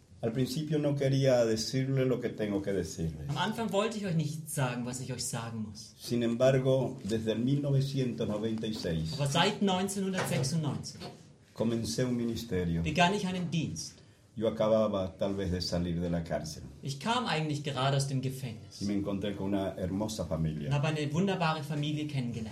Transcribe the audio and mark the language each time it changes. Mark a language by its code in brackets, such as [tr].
[es] al principio no quería decirle lo que tengo que decirle. [de] Am Anfang wollte ich euch nicht sagen, was ich euch sagen muss. [es] Sin embargo, desde 1996. [de] Aber seit 1996. [es] Comencé un ministerio. [de] Begann ich einen Dienst. [es] Yo acababa tal vez de salir de la cárcel. [de] Ich kam eigentlich gerade aus dem Gefängnis. [es] Y me encontré con una hermosa familia. [de] Habe eine wunderbare Familie kennengelernt.